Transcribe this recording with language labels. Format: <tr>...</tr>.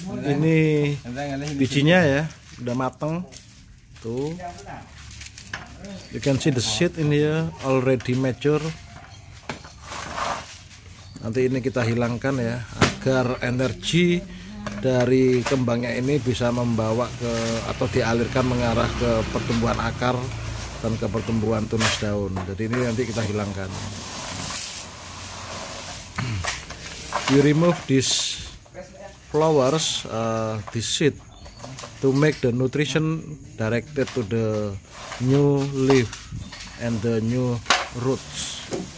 <id>Ini bijinya ya, udah mateng. Tuh.</id> <en>You can see the seed in here already mature.</en> <id>Nanti ini kita hilangkan ya agar energi dari kembangnya ini bisa membawa ke atau dialirkan mengarah ke pertumbuhan akar dan ke pertumbuhan tunas daun. Jadi ini nanti kita hilangkan.</id> <en>You remove these flowers, this seed to make the nutrition directed to the new leaf and the new roots.</en>